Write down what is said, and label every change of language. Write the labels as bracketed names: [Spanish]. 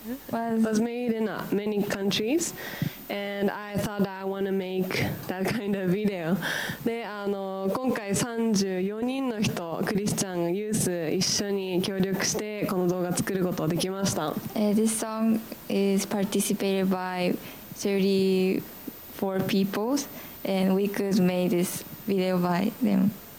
[English] was made in many countries and I thought that I want to make that kind of video。 [Japanese] で今回34人の人クリスチャンユース一緒に協力してこの動画作ることができました。 [English] This song is participated by 34 people and we could make this video by them。